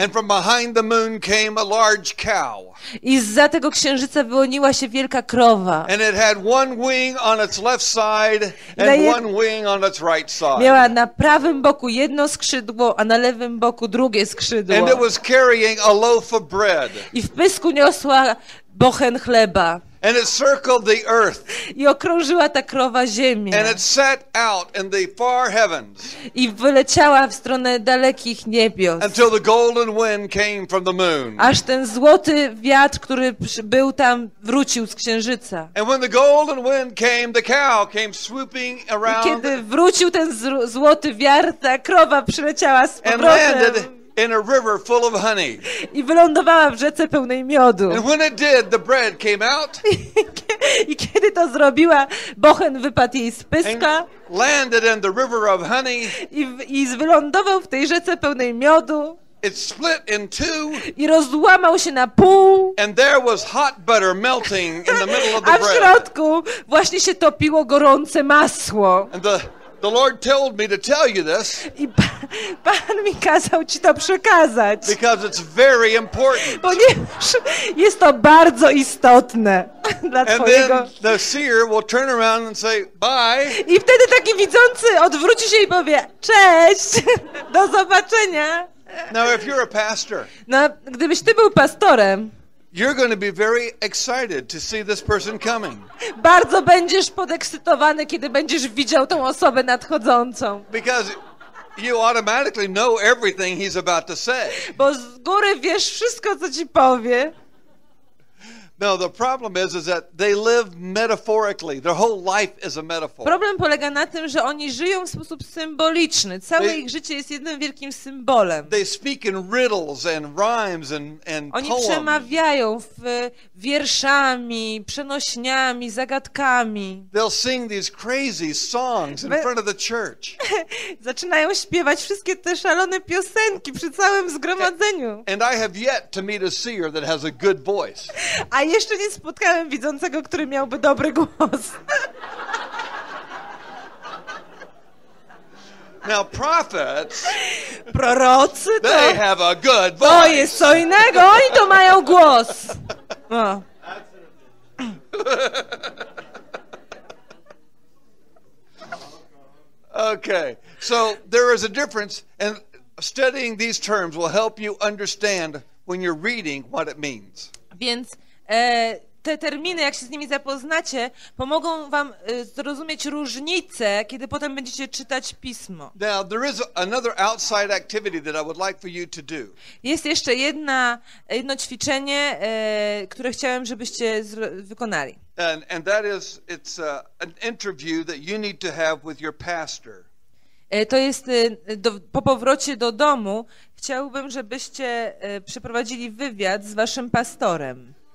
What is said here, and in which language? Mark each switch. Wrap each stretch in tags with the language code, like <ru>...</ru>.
<en>And from behind the moon came a large cow.</en> <pl>I zza tego księżyca wyłoniła się wielka krowa.</pl> <en>And it had one wing on its left side and one wing on its right side.</en> <pl>Miała na prawym boku jedno skrzydło, a na lewym boku drugie skrzydło.</pl> <en>And it was carrying a loaf of bread.</en> <pl>I w pysku niosła bochen chleba.</pl> <en>And it circled the earth.</en> <pl>I okrążyła ta krowa ziemię.</pl> <en>And it set out in the far heavens.</en> <pl>I wyleciała w stronę dalekich niebios.</pl> <en>Until the golden wind came from the moon.</en> <pl>Aż ten złoty wiatr, który był tam, wrócił z księżyca.</pl> <en>And when the golden wind came, the cow came swooping around.</en> <pl>I kiedy wrócił ten złoty wiatr, ta krowa przyleciała z powrotem.</pl> <en>In a river full of honey.</en> <pl>I wylądowała w rzece pełnej miodu.</pl> <en>And when it did, the bread came out.</en> <pl>I kiedy to zrobiła, bochen wypadł jej z pyska.</pl> <en>And landed in the river of honey.</en> <pl>I wylądował w tej rzece pełnej miodu.</pl> <en>It split in two.</en> <pl>I rozłamał się na pół.</pl> <en>And there was hot butter melting in the middle of the bread.</en> <pl>A w środku właśnie się topiło gorące masło.</pl> <en>And the Lord told me to tell you this.</en> <pl>I Pan mi kazał ci to przekazać.</pl> <en>Because it's very important.</en> <pl>Ponieważ jest to bardzo istotne dla</pl> <en>and</en> <pl>twojego.</pl> <en>Then the seer will turn around and say, bye.</en> <pl>I wtedy taki widzący odwróci się i powie, cześć, do zobaczenia.</pl> <en>Now if you're a pastor.</en> <pl>No, gdybyś ty był pastorem.</pl> <en>You're going to be very excited to see this person coming.</en> <pl>Bardzo będziesz podekscytowany, kiedy będziesz widział tą osobę nadchodzącą.</pl> <en>Because you automatically know everything he's about to say.</en> <pl>Bo z góry wiesz wszystko, co ci powie.</pl> <en>No, the problem is that they live metaphorically. Their whole life is a metaphor.</en> <pl>Problem polega na tym, że oni żyją w sposób symboliczny. Całe ich życie jest jednym wielkim symbolem.</pl> <en>They speak in riddles and rhymes and poems.</en> <pl>Oni przemawiają w wierszami, przenośniami, zagadkami.</pl> <en>They'll sing these crazy songs in front of the church.</en> <pl>Zaczynają śpiewać wszystkie te szalone piosenki przy całym zgromadzeniu.</pl> <en>And I have yet to meet a seer that has a good voice.</en> <pl>A jeszcze nie spotkałem widzącego, który miałby dobry głos.</pl> <en>Now prophets,</en> <pl>prorocy to,</pl> <en>they have a good voice.</en> <pl>To jest co innego, oni to mają głos. No.</pl> <en>Okay, so there is a difference, and studying these terms will help you understand when you're reading what it means.</en> <pl>Więc te terminy, jak się z nimi zapoznacie, pomogą wam zrozumieć różnice, kiedy potem będziecie czytać pismo.</pl> <en>Now, there is another outside activity that I would like for you to do.</en> <pl>Jest jeszcze jedno ćwiczenie, które chciałem, żebyście wykonali.</pl> <en>And that is, it's an interview that you need to have with your pastor.</en> <pl>To jest po powrocie do domu, chciałbym, żebyście przeprowadzili wywiad z waszym pastorem.</pl>